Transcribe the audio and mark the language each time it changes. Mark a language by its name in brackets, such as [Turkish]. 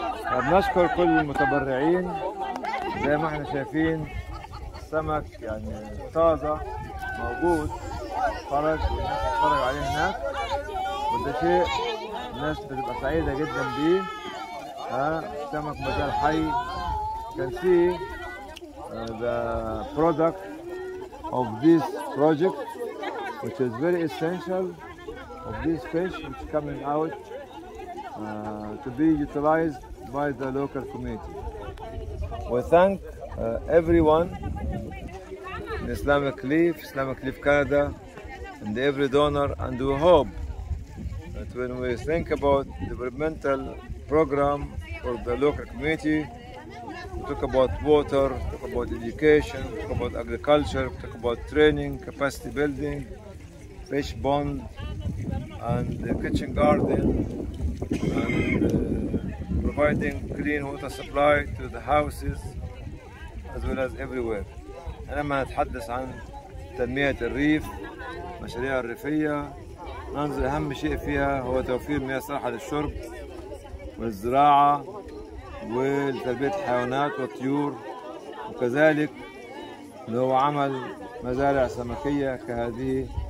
[Arabic] فبنشكر كل المتبرعين. زي ما احنا شايفين السمك يعني طازة موجود خرج وتتفرج عليه هناك، وده شيء الناس بتبقى سعيدة جدا بيه. ها السمك مازال حي. كان في [English] the product of this project which is very essential of this fish which coming out to be utilized by the local community. We thank everyone in Islamic Leaf Canada and every donor, and we hope that when we think about developmental program for the local community, we talk about water, talk about education, talk about agriculture, talk about training, capacity building, fish pond and the kitchen garden, and providing clean water supply to the houses as well as everywhere. [Arabic] أنا ما أتحدث عن تنمية الريف، مشاريع الريفية، ننظر أهم شيء فيها هو توفير مياه صالحة للشرب والزراعة ولتربية الحيوانات والطيور، وكذلك اللي هو عمل مزارع سمكية كهذه.